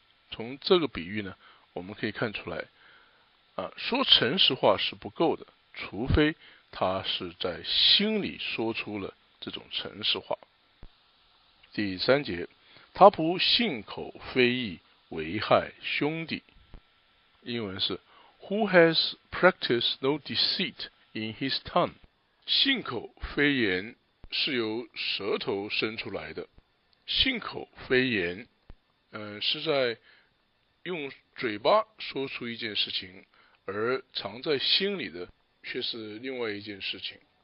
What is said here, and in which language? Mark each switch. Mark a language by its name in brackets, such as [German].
[Chinese] 从这个比喻呢，我们可以看出来说诚实话是不够的，除非他是在心里说出了这种诚实话。第三节，他不信口非议危害兄弟。英文是 [English] Who has practiced no deceit in his tongue。 [Chinese] 信口非言是由舌头生出来的，信口非言是在用嘴巴说出一件事情，而藏在心里的却是另外一件事情。